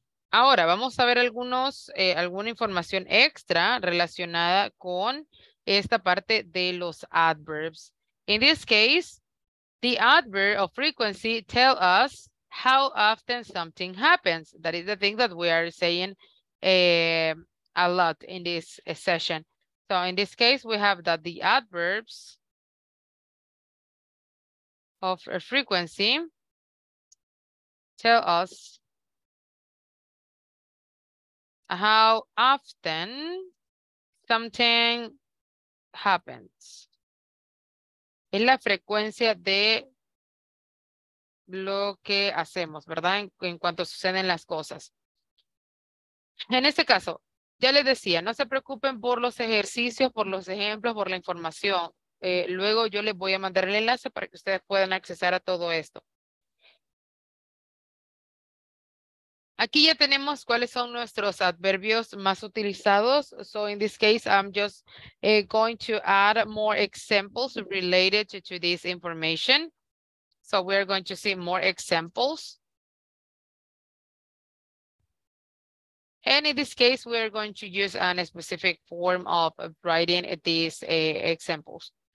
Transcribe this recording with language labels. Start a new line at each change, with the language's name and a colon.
Spanish: Ahora vamos a ver alguna información extra relacionada con esta parte de los adverbs.
English: In this case, the adverb of frequency tell us how often something happens. That is the thing that we are saying a lot in this session. So in this case, we have that the adverbs of a frequency tell us how often something happens.
Spanish: Es la frecuencia de lo que hacemos, ¿verdad? En cuanto suceden las cosas. En este caso, ya les decía, no se preocupen por los ejercicios, por los ejemplos, por la información. Luego yo les voy a mandar el enlace para que ustedes puedan accesar a todo esto. Aquí ya tenemos cuáles son nuestros adverbios más utilizados.
English: So in this case, I'm just going to add more examples related to this information. So we're going to see more examples. And in this case, we're going to use a specific form of writing these examples.